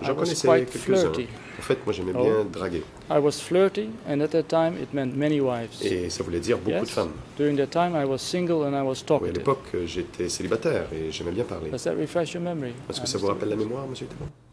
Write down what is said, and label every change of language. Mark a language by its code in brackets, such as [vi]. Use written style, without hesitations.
[fr] J'en connaissais quelques-uns. En fait, moi j'aimais bien draguer. [en] I was flirty, and at that time it meant many wives. [fr] Et ça voulait dire beaucoup de femmes. [en] During that time, I was single and I was talkative. [fr] Oui, à l'époque, j'étais célibataire et j'aimais bien parler. [en] Does that refresh your memory? [fr] Est-ce que ça vous rappelle la mémoire, Monsieur Tabon?